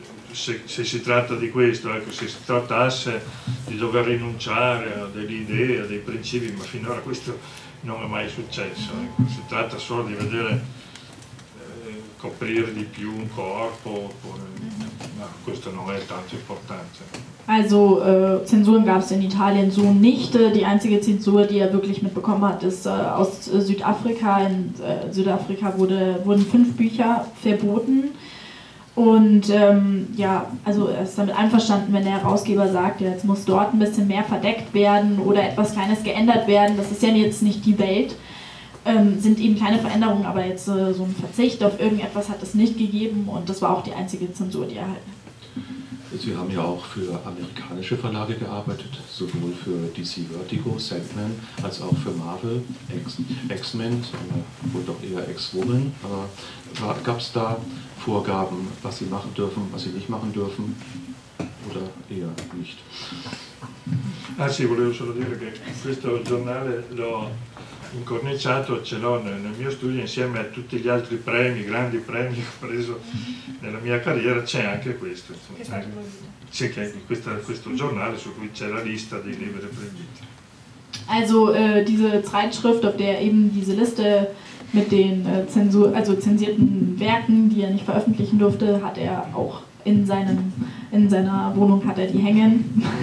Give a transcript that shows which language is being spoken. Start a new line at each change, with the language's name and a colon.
Italian: Se si tratta di questo, ecco, se si trattasse di dover rinunciare a delle idee, a dei principi, ma finora questo non è mai successo, ecco. Si tratta solo di vedere coprire di più un corpo, oppure, ma questo non è tanto importante.
German: Also Zensuren gab es in Italien so nicht. Die einzige Zensur, die er wirklich mitbekommen hat, ist aus Südafrika. In Südafrika wurden 5 Bücher verboten. Und ja, also er ist damit einverstanden, wenn der Herausgeber sagt, ja, jetzt muss dort ein bisschen mehr verdeckt werden oder etwas Kleines geändert werden. Das ist ja jetzt nicht die Welt. Sind eben kleine Veränderungen, aber jetzt so ein Verzicht auf irgendetwas hat es nicht gegeben. Und das war auch die einzige Zensur, die er hat. Sie haben ja auch für amerikanische Verlage gearbeitet, sowohl für DC Vertigo, Sandman, als auch für Marvel, X-Men, wohl doch eher X-Woman. Aber gab es da Vorgaben, was Sie machen dürfen, was Sie nicht machen dürfen, oder eher nicht?
Italian: Ah, sì, volevo solo dire che questo giornale l'ho incorniciato, ce l'ho nel mio studio insieme a tutti gli altri premi, grandi premi che ho preso nella mia carriera, c'è anche questo, insomma, c'è anche questo giornale su cui c'è la lista dei libri proibiti.
German: Also diese Zeitschrift, auf der eben diese Liste mit den zensierten Werken, die er nicht veröffentlichen durfte, hat er auch in seiner Wohnung hat er die hängen.